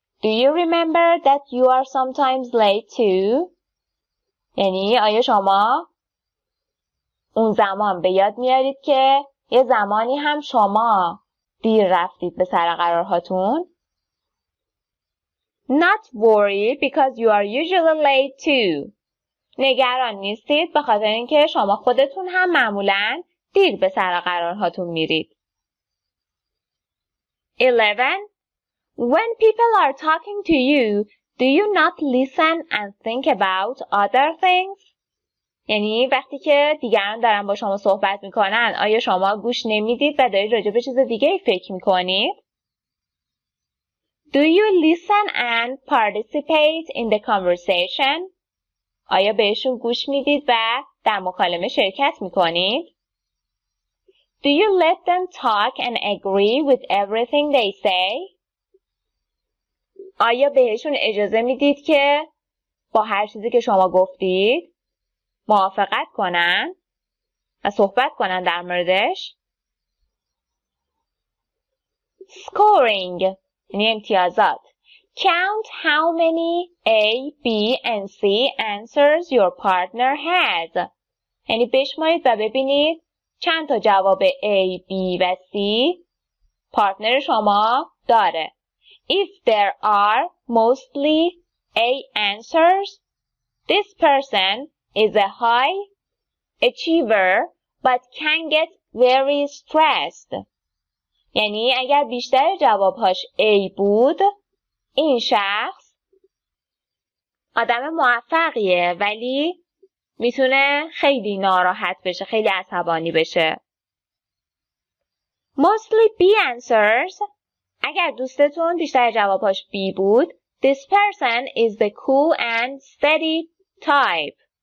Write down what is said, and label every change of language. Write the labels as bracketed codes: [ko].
[en] Do you remember that you are sometimes late too? [fa] یعنی آیا شما اون زمان به یاد میارید که یه زمانی هم شما دیر رفتید به سر قرارهاتون؟ [en] Not worry because you are usually late too. [fa] نگران نیستید به خاطر اینکه شما خودتون هم معمولاً دیر به سر قرارهاتون میرید. [en] 11. When people are talking to you, do you not listen and think about other things? [fa] یعنی وقتی که دیگران دارن با شما صحبت میکنن، آیا شما گوش نمیدید و دارید راجع به چیز دیگه فکر میکنید؟ [en] Do you listen and participate in the conversation? [fa] آیا بهشون گوش میدید و در مکالمه شرکت میکنید؟ [en] Do you let them talk and agree with everything they say? [fa] آیا بهشون اجازه میدید که با هر چیزی که شما گفتید موافقت کنن و صحبت کنن در موردش؟ Scoring یعنی امتیازات. [en] Count how many A, B and C answers your partner had. [fa] یعنی بشمارید و ببینید چند تا جواب A, B و C پارتنر شما داره. [en] If there are mostly A answers, this person is a high achiever but can get very stressed. [fa] یعنی اگر بیشتر جوابهاش A بود، این شخص آدم موفقیه ولی میتونه خیلی ناراحت بشه، خیلی عصبانی بشه. [en] Mostly B answers. [fa] اگر دوستتون بیشتر جوابهاش B بود، [en] this person is the cool and steady type.